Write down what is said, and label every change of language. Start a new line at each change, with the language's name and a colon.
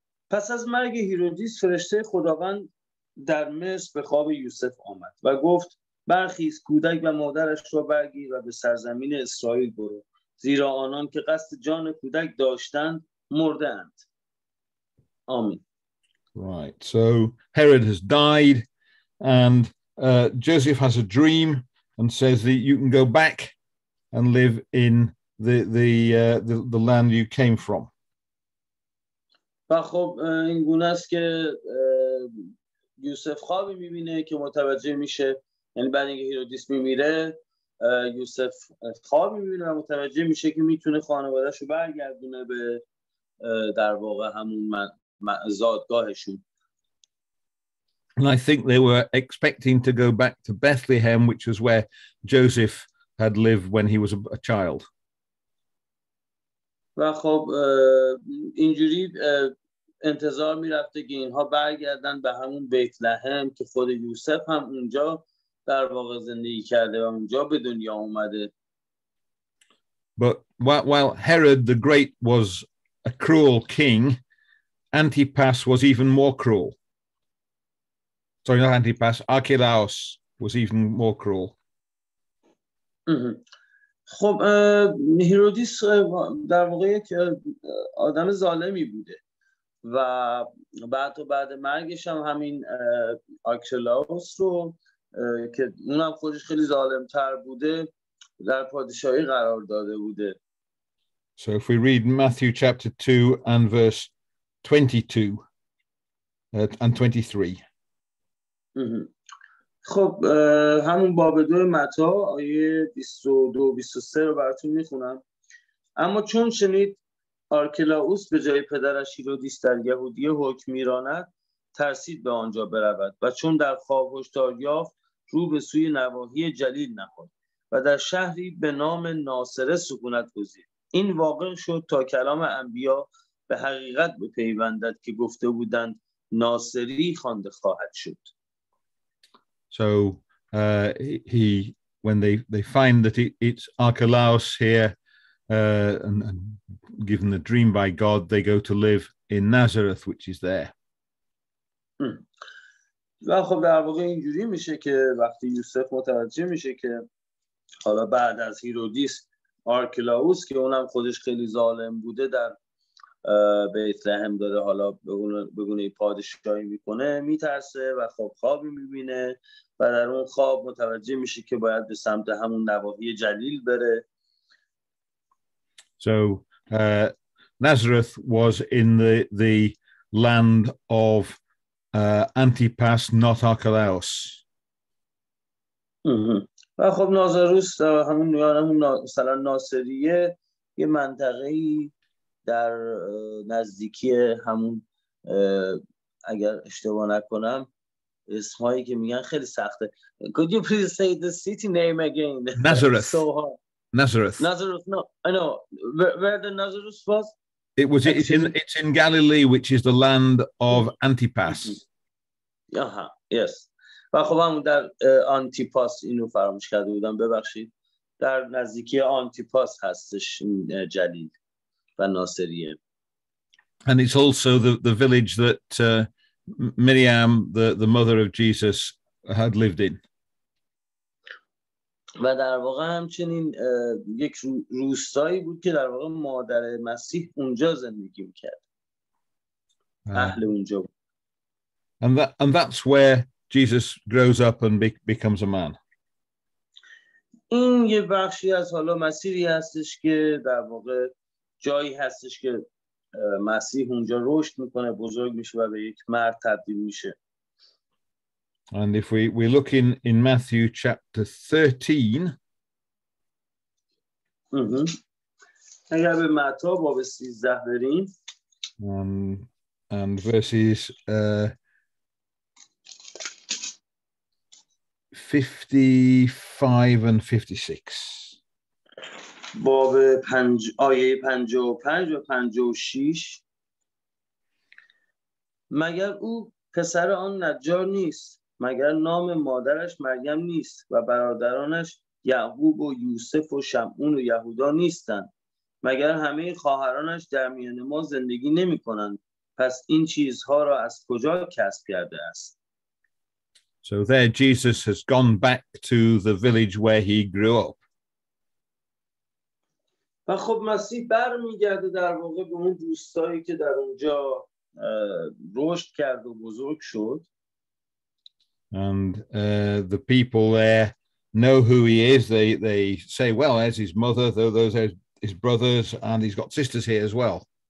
Persian: پس از مرگ هیرودیس فرشته خداوند در مصر به خواب یوسف آمد و گفت برخیز کودک و مادرش را برگیر و به سرزمین اسرائیل برو زیرا آنان که قصد جان کودک داشتند مردند. آمین.
English: Right. So Herod has died and Joseph has a dream and says that you can go back and live in the land you came from.
Persian: و خب این گونه است که یوسف خوابی می‌بینه که متوجه میشه یعنی بعد اینکه هیرودیس می‌میره یوسف خواب می‌بینه و متوجه میشه که میتونه خانواده‌اشو برگردونه به در واقع همون زادگاهشون.
English: And I think they were expecting to go back to Bethlehem, which was where Joseph had lived when he was a child.
Persian: و خب اینجوری انتظار می‌رفته که اینها برگردن به همون بیت لحم که خود یوسف هم اونجا در واقع زندگی کرده و اونجا به دنیا اومده.
English: But while Herod the Great was a cruel king, Antipas was even more cruel. Sorry, not Antipas, Archelaus was even more cruel.
Persian: خب هیرودیس در واقع یک آدم ظالمی بوده و بعد و بعد مرگش هم همین آرکلاوس رو که اونم خودش خیلی ظالم‌تر بوده در پادشاهی قرار داده بوده.
English: So if we read Matthew chapter 2 and verse 22 and 23.
Persian: خب همون باب 2 متا آیه 22 23 رو براتون میخونم. اما چون شنید آرکلاوس به جای پدرش هیرودیس در یهودیه حکم میراند ترسید به آنجا برود و چون در خواب هشدار یافت رو به سوی نواحی جلیل نهاد و در شهری به نام ناصره سکونت گزید. این واقع شد تا کلام انبیا به حقیقت بپیوندد که گفته بودند ناصری خوانده خواهد شد.
English: So he when they find that it's Archelaus here and given the dream by God, they go to live in Nazareth, which is there.
Persian: و خب در واقع اینجوری میشه که وقتی یوسف متوجه میشه که حالا بعد از هیرودیس آرکلاوس که اونم خودش خیلی ظالم بوده در بیت لحم داره حالا به گونه پادشاهی میکنه میترسه و خب خوابی میبینه و در اون خواب متوجه میشه که باید به سمت همون نواحی جلیل بره.
English: So Nazareth was in the land of Antipas, not Archelaus.
Persian: و خب نازاروس همون نیانمون مثلا ناصریه یه منطقه‌ای در نزدیکی همون اگر اشتباه نکنم اسمایی که میگن خیلی سخته.
English: Could you please say the city name again? Nazareth. So hard. Nazareth. Nazareth. No, I know where the Nazareth was. It was it's in Galilee, which is the land of Antipas.
Persian: آها یس و خب همون در آنتیپاس اینو فراموش کرده بودم ببخشید در نزدیکی آنتیپاس هستش جلیل و ناصریه.
English: And it's also the village that Miriam the mother of Jesus had lived in.
Persian: و در واقع همچنین یک روستایی بود که در واقع مادر مسیح اونجا زندگی میکرد اهل اونجا بود.
English: And that's where Jesus grows up and becomes a man.
Persian: این یه بخشی از حالا مسیری هستش که در واقع جایی هستش که مسیح اونجا رشد میکنه بزرگ میشه و به یک مرد تبدیل میشه.
English: And if we look in Matthew chapter 13.
Persian: اگر به متا باب 13 بریم.
English: And verses 55 and 56.
Persian: باب پنج آیه 55 و 56. مگر او پسر آن نجار نیست، مگر نام مادرش مریم نیست و برادرانش یعقوب و یوسف و شمعون و یهودا نیستند، مگر همه خواهرانش در میان ما زندگی نمی کنند، پس این چیزها را از کجا کسب کرده است؟
English: So there Jesus has gone back to the village where he grew up.
Persian: و خب مسیح بر میگرده در واقع به اون دوستایی که در اونجا رشد کرد و بزرگ شد.
English: And the people there know who he is. They say, well, as his mother, those are his brothers, and he's got sisters here as well.